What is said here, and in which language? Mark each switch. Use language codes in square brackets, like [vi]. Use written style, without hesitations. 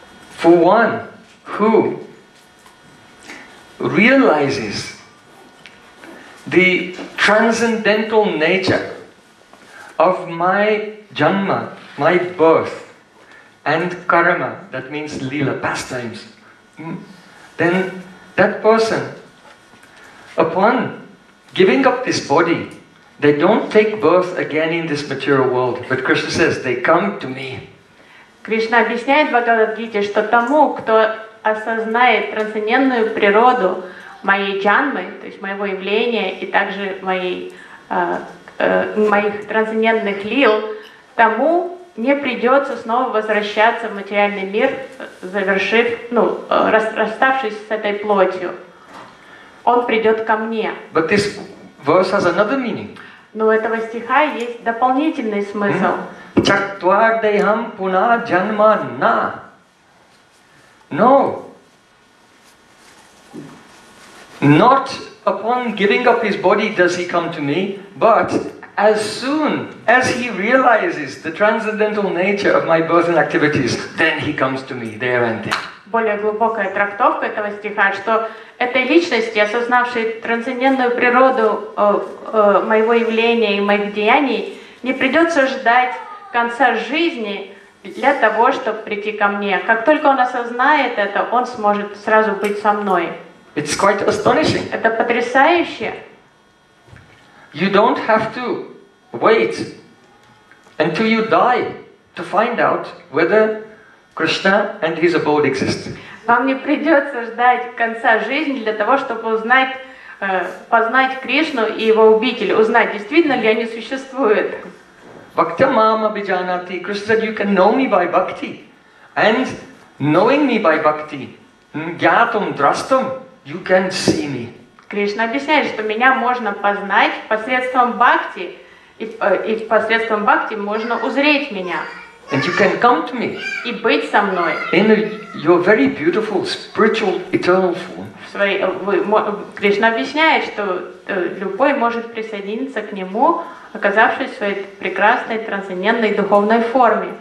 [en] For one who realizes the transcendental nature of my janma, my birth, and karma, that means lila, pastimes, then that person, upon giving up this body, they don't take birth again in this material world. But Krishna says, they come to me. [ru] Krishna объясняет в Бхагавад-гите, что тому, кто осознает трансцендентную природу моей джанмы, то есть моего явления, и также моих трансцендентных лил, тому не придется снова возвращаться в материальный мир, завершив, расставшись с этой плотью. Он придет ко мне. [en] But this verse has another meaning. [ru] Но у этого стиха есть дополнительный смысл. [sa] Чактвардейхам пуна джанма на. [en] No. Not upon giving up his body does he come to me, but as soon as he realizes the transcendental nature of my birth and activities, then he comes to me, there and then. [ru] Более глубокая трактовка этого стиха, что этой личности, осознавшей трансцендентную природу моего явления и моих деяний, не придется ждать конца жизни для того, чтобы прийти ко мне. Как только он осознает это, он сможет сразу быть со мной. [en] It's quite astonishing. [ru] Это потрясающе. [en] You don't have to wait until you die to find out whether Krishna and his abode exist. [ru] Вам не придется ждать конца жизни для того, чтобы познать Кришну и его обитель, узнать, действительно ли они существуют. [sa] Bhakta mam abhijanati. [en] Krishna said, you can know me by bhakti. And knowing me by bhakti, [sa] jnatam drastam, [en] you can see me. [ru] Кришна объясняет, что меня можно познать посредством бхакти, и посредством бхакти можно узреть меня. [en] And you can come to me [ru] и быть со мной. [en] In your very beautiful spiritual eternal form. [ru] Кришна объясняет, что любой может присоединиться к нему, оказавшись в своей прекрасной трансцендентной духовной форме.